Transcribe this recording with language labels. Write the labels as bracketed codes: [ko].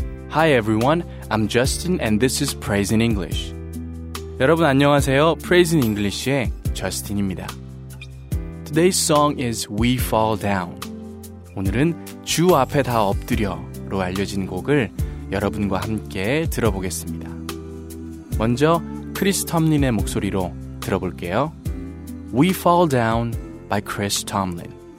[en] Hi everyone, I'm Justin and this is Praise in English. [ko] 여러분 안녕하세요. Praise in English의 Justin입니다. [en] Today's song is We Fall Down. [ko] 오늘은 주 앞에 다 엎드려로 알려진 곡을 여러분과 함께 들어보겠습니다. 먼저 크리스 톰린의 목소리로 들어볼게요. [en] We Fall Down by Chris Tomlin.